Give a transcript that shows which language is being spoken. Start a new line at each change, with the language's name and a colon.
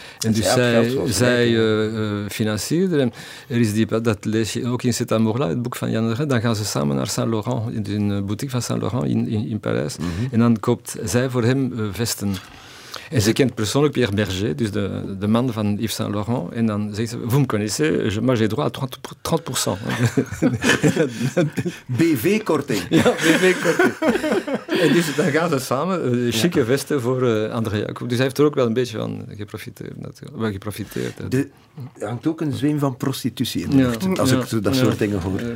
Dutch: En dus zij financierde hem. Er is dat lees je ook in Cet Amour-là, het boek van Jan-Réa. Dan gaan ze samen naar Saint-Laurent. In een boutique van Saint-Laurent in Parijs. Mm-hmm. En dan koopt zij voor hem vesten. En ze kent persoonlijk Pierre Berger, dus de man van Yves Saint-Laurent. En dan zegt ze,
French: vous me connaissez, moi j'ai droit à 30%.
Dutch: BV-korting. Ja, BV-korting. En dus dan gaan ze samen, chique vesten voor Andrea. Dus hij heeft er ook wel een beetje van geprofiteerd. Natuurlijk. Wel geprofiteerd. Er hangt ook een zweem van prostitutie in de lucht, als ik dat soort dingen hoor.